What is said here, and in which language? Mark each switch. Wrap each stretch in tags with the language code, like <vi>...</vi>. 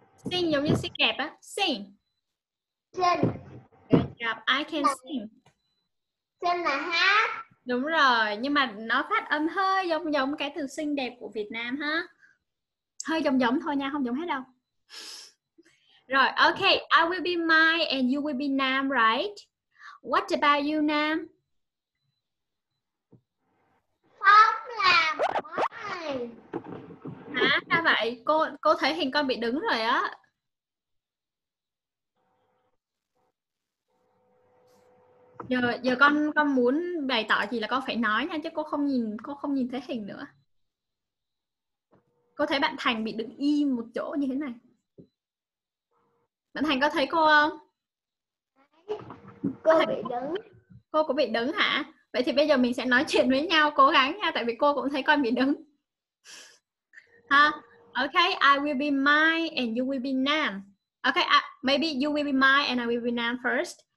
<vi>Sing giống như sing kẹp á.</vi> <en>Sing. Sing. Good job. I can sing.</en> <vi>Sing là hát. Đúng rồi. Nhưng mà nó phát âm hơi giống giống cái từ xinh đẹp của Việt Nam ha. Hơi giống giống thôi nha. Không giống hết đâu. Rồi. Okay.</vi> <en>I will be Mai and you will be Nam, right? What about you, Nam?</en> <vi>Phong là Mai. Hả? Sao vậy? Cô thấy hình con bị đứng rồi á. Giờ con muốn bày tỏ chỉ là con phải nói nha, chứ cô không nhìn thấy hình nữa. Cô thấy bạn Thành bị đứng im một chỗ như thế này. Bạn Thành có thấy cô không? Cô bị đứng. Cô có bị đứng hả? Vậy thì bây giờ mình sẽ nói chuyện với nhau, cố gắng nha, tại vì cô cũng thấy con bị đứng.</vi> <en>Ha? Okay, I will be Mai and you will be Nam. Okay, maybe you will be Mai and I will be Nam first.</en>